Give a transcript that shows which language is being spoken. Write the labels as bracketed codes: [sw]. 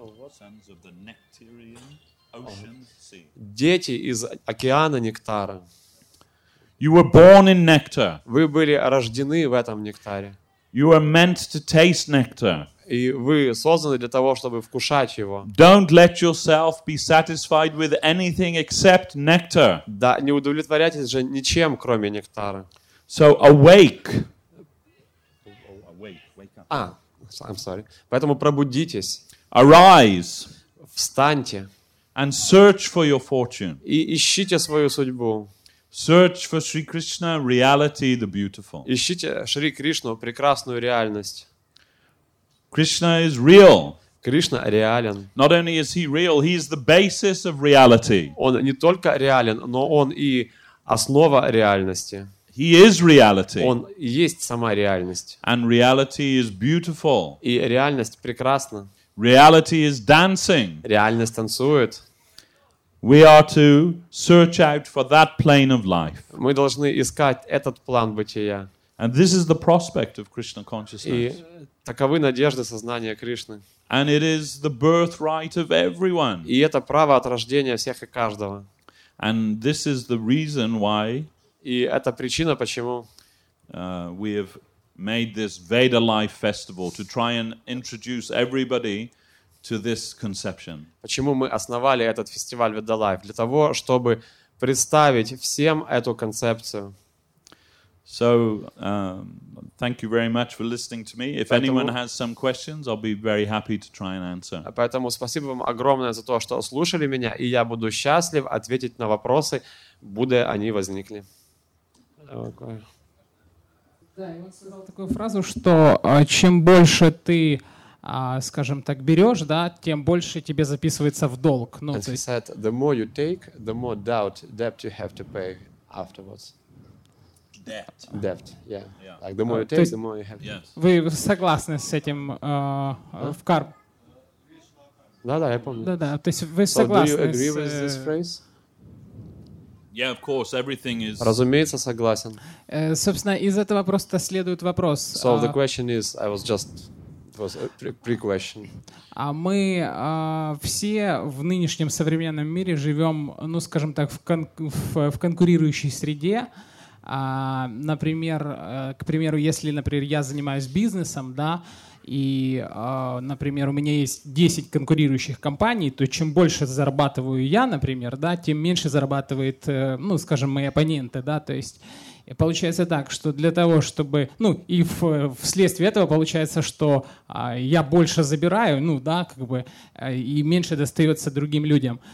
[en] sons of the Nectarian Ocean Sea, [ru] дети из океана нектара, [en] you were born in nectar, [ru] вы были рождены в этом нектаре, [en] you were meant to taste nectar, [ru] и вы созданы для того, чтобы вкушать его. [en] Don't let yourself be satisfied with anything except nectar. [ru] Да, не удовлетворяйтесь же ничем, кроме нектара. [en] So awake. I'm sorry. [ru] Поэтому пробудитесь. [en] Arise. [ru] Встаньте. [en] And search for your fortune. [ru] И ищите свою судьбу. [en] Search for Sri Krishna, reality, the beautiful. [ru] Ищите Шри Кришну, прекрасную реальность. [en] Krishna is real. [ru] Кришна реален. [en] Not only is he real, he is the basis of reality. [ru] Он не только реален, но он и основа реальности. [en] He is reality. [ru] Он есть сама реальность. [en] And reality is beautiful. [ru] И реальность прекрасна. [en] Reality is dancing. [ru] Реальность танцует. [en] We are to search out for that plane of life. [ru] Мы должны искать этот план бытия. [en] And this is the prospect of Krishna consciousness. [ru] И таковы надежды сознания Кришны. [en] And it is the birthright of everyone. [ru] И это право от рождения всех и каждого. [en] And this is the reason why. [ru] И это причина, почему. [en] We have made this Veda Life Festival to try and introduce everybody to this conception. [ru] Почему мы основали этот фестиваль Veda Life? Для того, чтобы представить всем эту концепцию. [en] So, thank you very much for listening to me. If anyone has some questions, I'll be very happy to try and answer. [ru] Поэтому спасибо вам огромное за то, что слушали меня, и я буду счастлив ответить на вопросы, будь они возникли. Да, я вот сказал такую фразу, что чем больше ты, скажем так, берешь, да, тем больше тебе записывается в долг. [en] Ну, and he said, the more you take, the more debt you have to pay afterwards. Debt, yeah. Like the more you take, the more you have. Yes. [ru] Вы согласны с этим в карм? Да, я помню. Да. То есть вы согласны? [en] So do you agree with this phrase? Yeah, of course. Everything is. [ru] Разумеется, согласен. Собственно, из этого просто следует вопрос. [en] So the question is, it was a pre-question. [ru] А мы все в нынешнем современном мире живем, ну, скажем так, в конкурирующей среде. Например, к примеру, если, например, я занимаюсь бизнесом, да, и, например, у меня есть 10 конкурирующих компаний, то чем больше зарабатываю я, например, да, тем меньше зарабатывает, ну, скажем, мои оппоненты, да, то есть получается так, что для того, чтобы, ну, и вследствие этого получается, что я больше забираю, ну, да, как бы, и меньше достается другим людям.